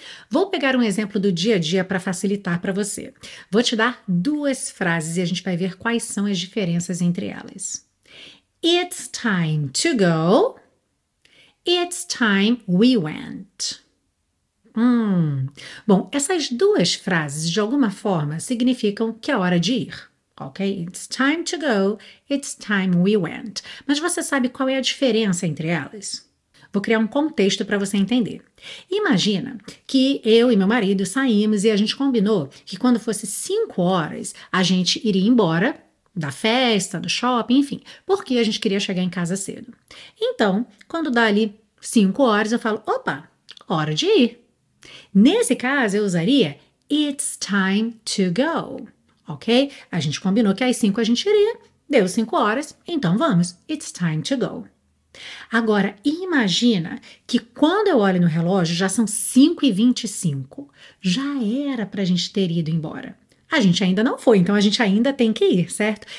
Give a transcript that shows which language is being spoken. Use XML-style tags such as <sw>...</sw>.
<pt>Vou pegar um exemplo do dia a dia para facilitar para você. Vou te dar duas frases e a gente vai ver quais são as diferenças entre elas.</pt> <en>It's time to go. It's time we went.</en> <pt>Bom, essas duas frases, de alguma forma, significam que é hora de ir, ok?</pt> <en>It's time to go, it's time we went.</en> <pt>Mas você sabe qual é a diferença entre elas? Vou criar um contexto para você entender. Imagina que eu e meu marido saímos e a gente combinou que quando fosse 5 horas, a gente iria embora da festa, do shopping, enfim, porque a gente queria chegar em casa cedo. Então, quando dá ali 5 horas, eu falo, opa, hora de ir. Nesse caso, eu usaria</pt> <en>it's time to go,</en> <pt>ok? A gente combinou que às 5 a gente iria, deu 5 horas, então vamos,</pt> <en>it's time to go.</en> <pt>Agora, imagina que quando eu olho no relógio, já são 5h25. Já era para a gente ter ido embora. A gente ainda não foi, então a gente ainda tem que ir, certo?</pt>